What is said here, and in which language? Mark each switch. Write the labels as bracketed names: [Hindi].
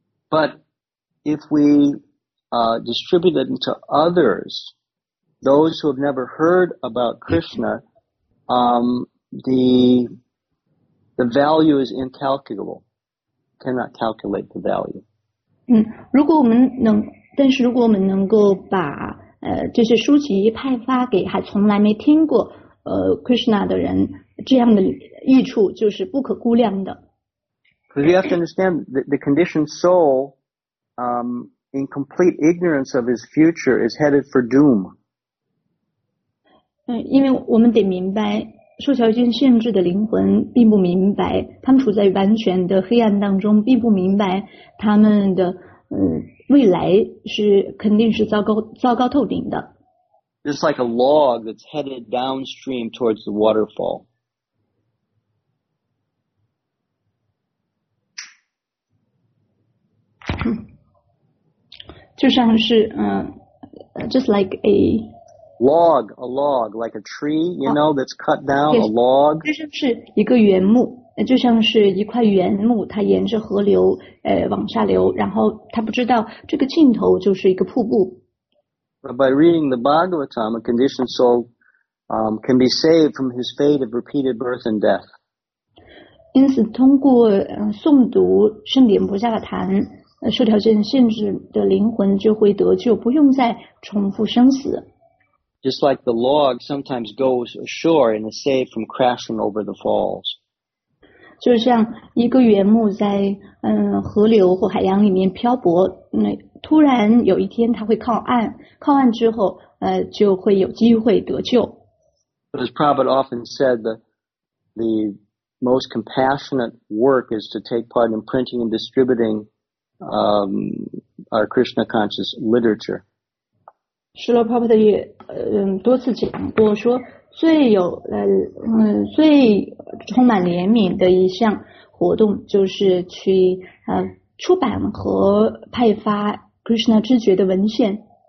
[English] But if we, distribute them to others, those who have never heard about Krishna, the value is incalculable. Cannot calculate the value. [Chinese] 如果我们能，但是如果我们能够把这些书籍派发给还从来没听过Krishna 的人，这样的益处就是不可估量的。 [English] Because you have to understand the conditioned soul, in complete ignorance of his future, is headed for doom. [Chinese] 因为我们得明白，受条件限制的灵魂并不明白，他们处在完全的黑暗当中，并不明白他们的未来是肯定是糟糕透顶的。 [English] Just like a log that's headed downstream towards the waterfall. Just like a log, like a tree, you know, that's cut down, a log. [Chinese] 就是一个原木，就像是一块原木，它沿着河流往下流，然后它不知道这个尽头就是一个瀑布。 [English] But by reading the Bhagavatam, a conditioned soul, can be saved from his fate of repeated birth and death. [Chinese] 因此，通过诵读圣典菩萨的坛，受条件限制的灵魂就会得救，不用再重复生死。 [English] Just like the log sometimes goes ashore and is saved from crashing over the falls. [Chinese] 就像一个原木在河流或海洋里面漂泊那。突然有一天他会靠岸，靠岸之后就会有机会得救。 [English] But as Prabhupada often said, the most compassionate work is to take part in printing and distributing our Krishna conscious literature. [Chinese] Srila Prabhupada 也多次讲过说，最充满怜悯的一项活动就是去出版和派发Krishna 知觉的文献。